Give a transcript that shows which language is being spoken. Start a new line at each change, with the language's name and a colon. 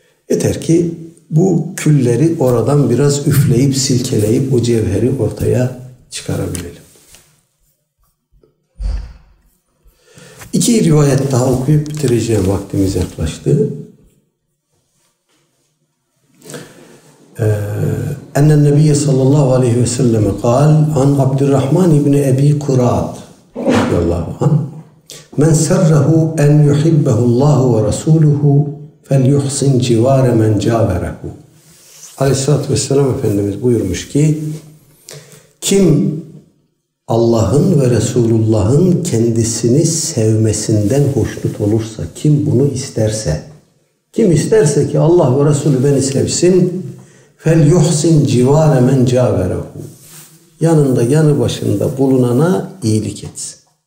Turkish: Yeter ki bu külleri oradan biraz üfleyip silkeleyip o cevheri ortaya çıkarabilelim. İki rivayet daha okuyup bitireceğim, vaktimiz yaklaştı.
Arabic: أن النبي صلى الله عليه وسلم قال عن عبد الرحمن بن أبي كرات رضي الله عنه من سره أن يحبه الله ورسوله فليحسن جوار من جاوره عليه الصلاة والسلام.
Turkish: Efendimiz buyurmuş ki kim Allah'ın ve Resulullah'ın kendisini sevmesinden hoşnut olursa, kim bunu isterse, kim isterse ki Allah ve Resulü beni sevsin,
Arabic: فَلْيُحْسِنْ جِوَارَ مَنْ جَاوَرَهُ
Turkish: yanında, yanı başında bulunana iyilik etsin.